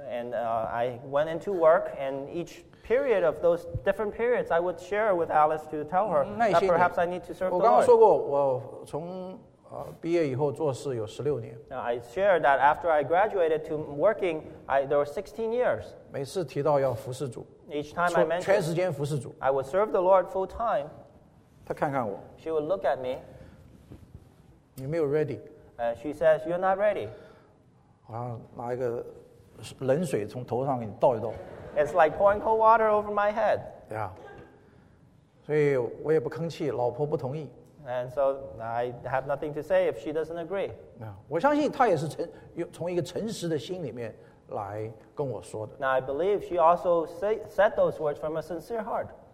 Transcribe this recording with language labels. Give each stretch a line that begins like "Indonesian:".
English: And I went into work, and each period of those different periods, I would share with Alice to tell her that perhaps I need to serve the Lord.
Chinese: 我刚刚说过，我从毕业以后做事有16年。
English: I shared that after I graduated to working, there were 16 years.
Chinese: 每次提到要服侍主。
English: Each time I mentioned, I would serve the Lord full time.
Chinese: 她看看我,
English: she would look at me.
Chinese: 你没有
English: ready. She says, you're not ready.
Chinese: 好像拿一个冷水从头上给你倒一倒。
English: It's like pouring cold water over my head. Yeah.
Chinese: 所以我也不吭气, 老婆不同意。
English: And so I have nothing to say if she doesn't agree. Yeah.
Chinese: 我相信她也是从一个诚实的心里面
English: Now I believe she also said those words from a sincere heart.